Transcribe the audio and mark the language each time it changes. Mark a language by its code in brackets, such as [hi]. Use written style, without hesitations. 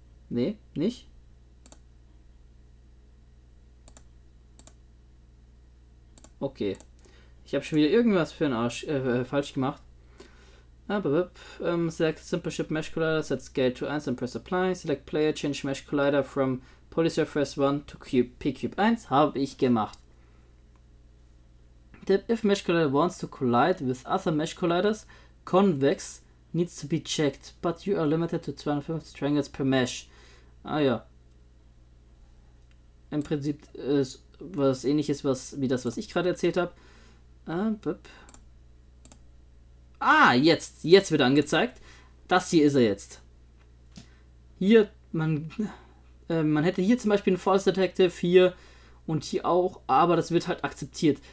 [de] Nee, nicht. Okay. Ich habe schon wieder irgendwas für einen Arsch falsch gemacht. [en] Select Simple Ship Mesh Collider, set Scale to 1 and press Apply. Select Player, change Mesh Collider from Polysurface 1 to P-Cube 1. [de] Habe ich gemacht. [en] Tap if Mesh Collider wants to collide with other Mesh Colliders, convex needs to be checked, but you are limited to 250 triangles per Mesh. [de] Ah ja. Im Prinzip ist was ähnliches wie das, was ich gerade erzählt habe. Ah, jetzt. Jetzt wird angezeigt. Das hier ist er jetzt. Hier, man hätte hier zum Beispiel einen False Detective, hier und hier auch, aber das wird halt akzeptiert.